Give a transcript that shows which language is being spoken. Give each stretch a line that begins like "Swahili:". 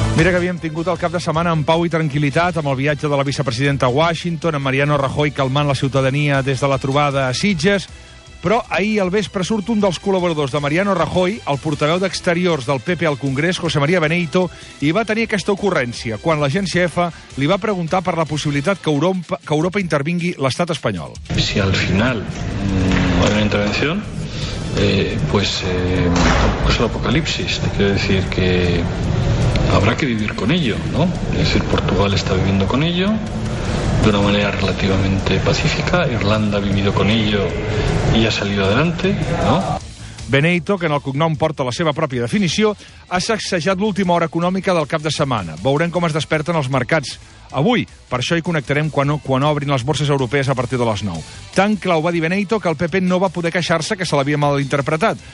Catalan: Mira que havíem tingut el cap de setmana en pau i tranquil·litat amb el viatge de la vicepresidenta a Washington, amb Mariano Rajoy calmant la ciutadania des de la trobada a Sitges. Però ahir al vespre surt un dels col·laboradors de Mariano Rajoy, el portaveu d'exteriors del PP al Congrés, José María Beneito, i va tenir aquesta ocurrència quan l'agència EFE li va preguntar per la possibilitat que Europa intervingui l'estat espanyol.
Spanish: Si al final hay una intervención, pues el apocalipsis. Quiero decir que habrá que vivir con ello, ¿no? Es decir, Portugal está viviendo con ello de una manera relativamente pacífica, Irlanda ha vivido con ello y ha salido adelante, ¿no?
Catalan: Beneito, que en el cognom porta la seva pròpia definició, ha sacsejat l'última hora econòmica del cap de setmana. Veurem com es desperten els mercats avui. Per això hi connectarem quan obrin les borses europees a partir de les 9. Tan clar ho va dir Beneito que el PP no va poder queixar-se que se l'havia mal interpretat.